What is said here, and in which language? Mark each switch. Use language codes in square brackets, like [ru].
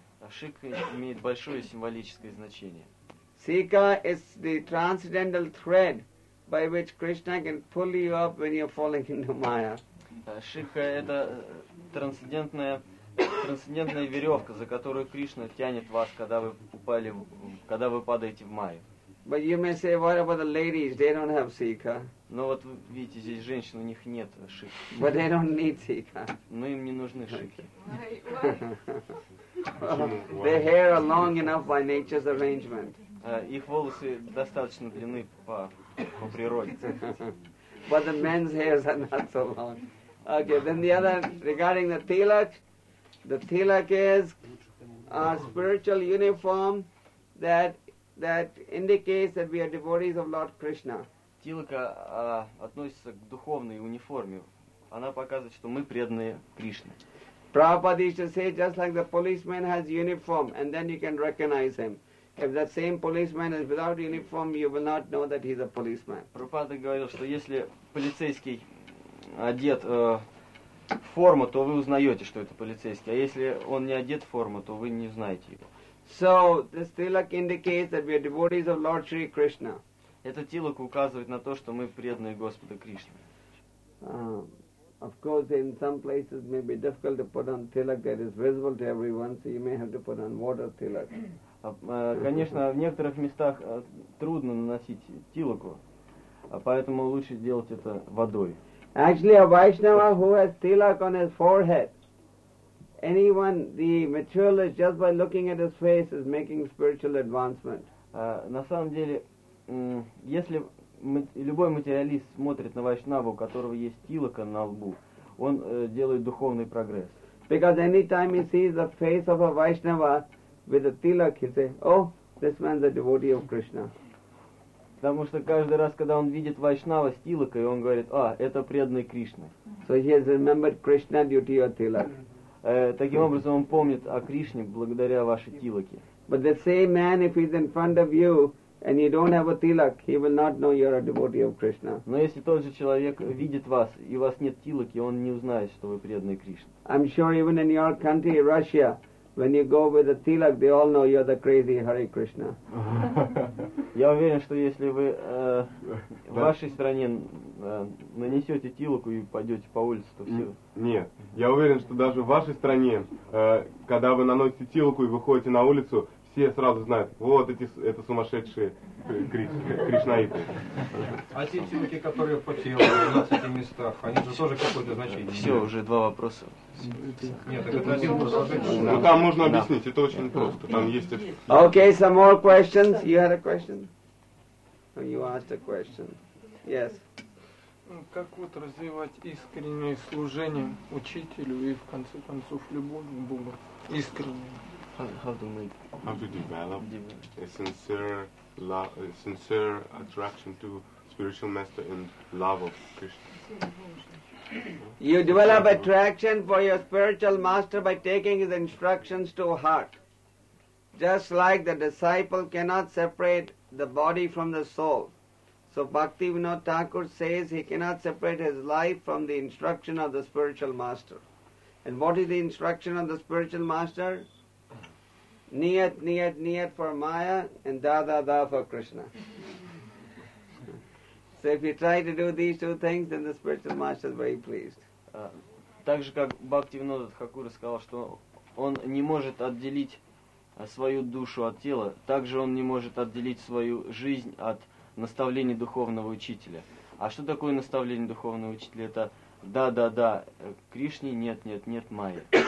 [ru] Shikha имеет большое символическое значение. [en] Sika is the transcendental thread by which Krishna can pull you up when you're falling into Maya. [ru] Шикха – это трансцендентная веревка, за которую Кришна тянет вас, когда вы падаете в Майю. [en] But you may say, what about the ladies? They don't have Sika. [ru] Но вот видите, здесь женщин, у них нет Шикхи. [en] But they don't need Sika. [ru] Но им не нужны Шикхи. [en] Their hair are long enough by nature's arrangement. [ru] Их волосы достаточно длинны по природе. [en] But the men's hairs are not so long. Okay, then the other, regarding the tilak is a spiritual uniform that indicates that we are devotees of Lord Krishna. [ru] Тилака относится к духовной униформе. Она показывает, что мы преданные Кришне. [en] Prabhupada used to say, just like the policeman has uniform, and then you can recognize him. If that same policeman is without uniform, you will not know that he's a policeman. [ru] Prabhupada говорил, что если полицейский одет в форму, то вы узнаете, что это полицейский. А если он не одет в форму, то вы не знаете его. [en] So this tilak indicates that we are devotees of Lord Sri Krishna. [ru] Этот тилак указывает на то, что мы преданные Господа Кришны. [en] Of course, in some places may be difficult to put on tilak that is visible to everyone, so you may have to put on water tilak. [ru] Конечно, в некоторых местах трудно наносить тилаку, поэтому лучше делать это водой. [en] Actually, a Vaishnava who has tilak on his forehead, anyone, the materialist, just by looking at his face, is making spiritual advancement. [ru] На самом деле, если любой материалист смотрит на вайшнаву, у которого есть тилака на лбу, он делает духовный прогресс. [en] Because any time he sees the face of a Vaishnava with a tilak, he says, oh, this man's a devotee of Krishna. [ru] Потому что каждый раз, когда он видит вайшнава с тилакой, он говорит, а, это преданный Кришна. [en] So he has remembered Krishna due to your tilak. [ru] таким образом он помнит о Кришне благодаря вашей тилаке. [en] But the same man, if he's in front of you and you don't have a tilak, he will not know you're a devotee of Krishna. [ru] Но если тот же человек видит вас и у вас нет тилаки, он не узнает, что вы преданный Кришне. [en] I'm sure even in your country, Russia, when you go with a tilak, they all know you're the crazy Hare Krishna. [ru] Я уверен, что если вы в вашей стране нанесете тилаку и пойдете по улице, то все. Нет, я уверен, что даже в вашей стране, когда вы наносите тилаку и выходите на улицу, все сразу знают, вот эти это сумасшедшие кришнаиты. А те тилаки, которые потеряли в 12 местах, они же тоже какое-то значение. Все, уже два вопроса. Нет, так это один вопрос. Ну там можно объяснить, это очень просто. Там есть. [en] Okay, some more questions. You had a question? You asked a question. Yes. [ru] Как вот развивать искреннее служение учителю и в конце концов любовь к Богу? Искреннее. [en] How to develop a sincere attraction to spiritual master and love of Krishna. You develop attraction for your spiritual master by taking his instructions to heart. Just like the disciple cannot separate the body from the soul. So Bhakti Vinod Thakur says he cannot separate his life from the instruction of the spiritual master. And what is the instruction of the spiritual master? Niyat, niyat, niyat for Maya and [ru] da, da, da [en] for Krishna. So if you try to do these two things, then the spiritual master is very pleased. [ru] Так же, как Бхакти Винода Тхакур сказал, что он не может отделить свою душу от тела, так же он не может отделить свою жизнь от наставления духовного учителя. А что такое наставление духовного учителя? Это да, да, да, Кришне, нет, нет, нет, Майя.